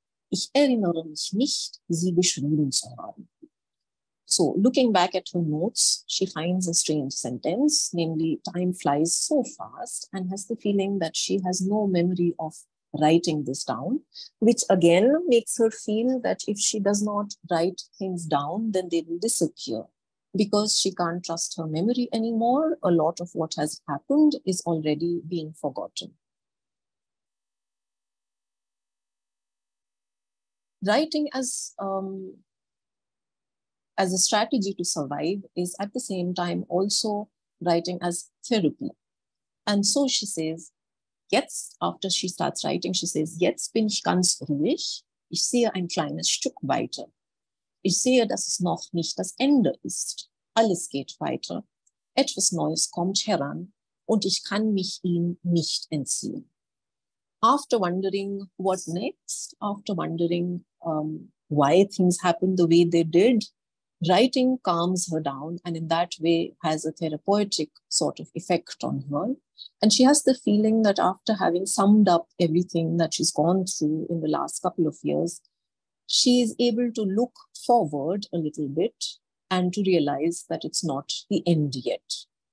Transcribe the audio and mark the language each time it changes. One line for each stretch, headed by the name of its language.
German: Ich erinnere mich nicht, sie geschrieben zu haben.
English: So, looking back at her notes, she finds a strange sentence, namely, time flies so fast, and has the feeling that she has no memory of writing this down, which again makes her feel that if she does not write things down, then they will disappear. Because she can't trust her memory anymore, a lot of what has happened is already being forgotten. Writing as a strategy to survive is at the same time also writing as therapy. And so she says, jetzt, after she starts writing, she says,
German: jetzt bin ich ganz ruhig. Ich sehe ein kleines Stück weiter. Ich sehe, dass es noch nicht das Ende ist. Alles geht weiter. Etwas Neues kommt heran und ich kann mich ihm nicht entziehen.
English: After wondering what next, after wondering why things happened the way they did, writing calms her down and in that way has a therapeutic sort of effect on her. And she has the feeling that after having summed up everything that she's gone through in the last couple of years, she is able to look forward a little bit and to realize that it's not the end yet.